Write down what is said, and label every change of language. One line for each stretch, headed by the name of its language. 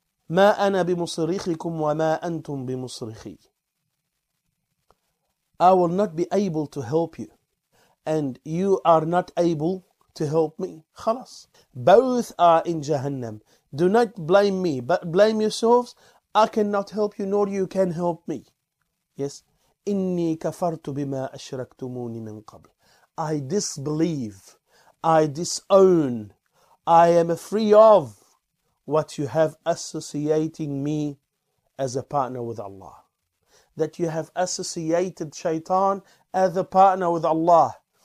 Arabic: مَا أَنَا بِمُصْرِخِكُمْ وَمَا أَنْتُمْ بِمُصْرِخِي
English: I will not be able to help you. And you are not able to help me. خلاص. Both are in Jahannam. Do not blame me, but blame yourselves. I cannot help you, nor you can help me. Yes.
Arabic: إِنِّي كَفَرْتُ بِمَا أَشْرَكْتُمُونِ مِنْ قَبْلِ
English: I disbelieve. I disown. I am free of what you have associating me as a partner with Allah. That you have associated shaitan as a partner with Allah.